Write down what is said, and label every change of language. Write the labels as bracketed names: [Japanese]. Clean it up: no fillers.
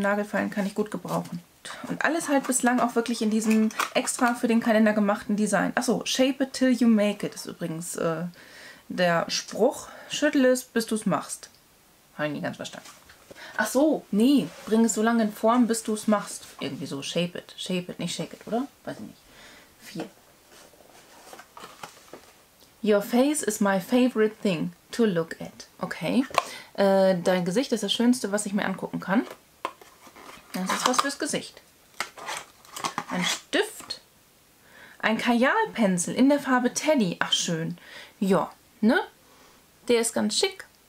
[German] Nagelfeilen kann ich gut gebrauchen. Und alles halt bislang auch wirklich in diesem extra für den Kalender gemachten Design. Achso, [English] Shape it till you make it [German] ist übrigens der Spruch. Schüttel es, bis du es machst. Habe ich nie ganz verstanden. Achso, nee, bring es so lange in Form, bis du es machst. Irgendwie so, [English] shape it, [German] nicht [English] shake it, [German] oder? Weiß ich nicht. 4. [English] Your face is my favorite thing to look at. Okay. [German] Dein Gesicht ist das Schönste, was ich mir angucken kann. Das ist was fürs Gesicht. Ein Stift. Ein Kajalpinsel in der Farbe Teddy. Ach, schön. Ja, ne? Der ist ganz schick.